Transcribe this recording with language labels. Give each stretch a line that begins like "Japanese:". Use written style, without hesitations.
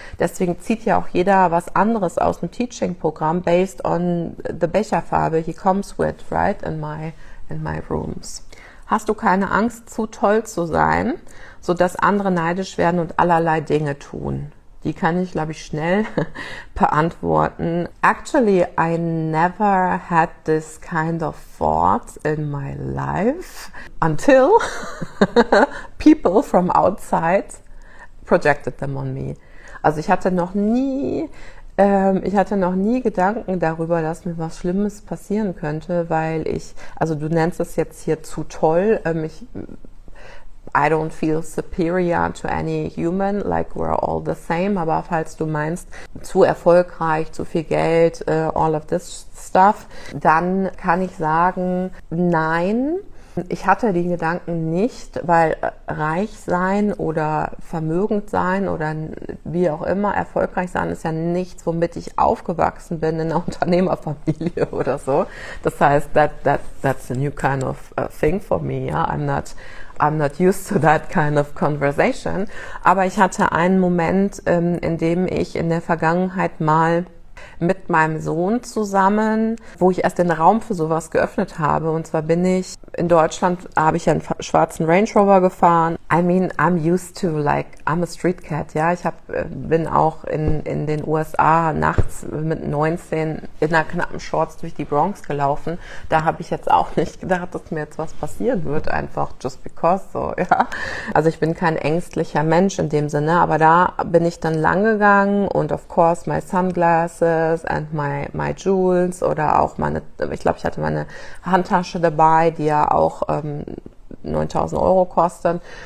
German: Deswegen zieht ja auch jeder was anderes aus dem Teaching-Programm,
English: based on the Becherfarbe he comes with, right, in my rooms.
German: Hast du keine Angst, zu toll zu sein, so dass andere neidisch werden und allerlei Dinge tun? Die kann ich, glaube ich, schnell beantworten.
English: Actually, I never had this kind of thoughts in my life until people from outside projected them on me.
German: Also ich hatte noch nie Gedanken darüber, dass mir was Schlimmes passieren könnte, weil ich, also du nennst es jetzt hier zu toll,
English: I don't feel superior to any human, like we're all the same,
German: aber falls du meinst, zu erfolgreich, zu viel Geld,
English: all of this stuff,
German: dann kann ich sagen, nein, ich hatte die Gedanken nicht, weil reich sein oder vermögend sein oder wie auch immer erfolgreich sein ist ja nichts, womit ich aufgewachsen bin in einer Unternehmerfamilie oder so. Das heißt,
English: that's a new kind of thing for me. Yeah? I'm not used to that kind of conversation.
German: Aber ich hatte einen Moment, in dem ich in der Vergangenheit mal mit meinem Sohn zusammen, wo ich erst den Raum für sowas geöffnet habe. Und zwar bin ich in Deutschland, habe ich einen schwarzen Range Rover gefahren.
English: I mean, I'm used to, like, I'm a street cat, ja.
German: Ich bin auch in den USA nachts mit 19 in einer knappen Shorts durch die Bronx gelaufen. Da habe ich jetzt auch nicht gedacht, dass mir jetzt was passieren wird, einfach
English: just because,
German: so, ja. Also ich bin kein ängstlicher Mensch in dem Sinne, aber da bin ich dann lang gegangen und
English: of course my sunglasses and my jewels
German: oder auch meine, ich glaube, ich hatte meine Handtasche dabei, die ja auch 9.000 Euro kosten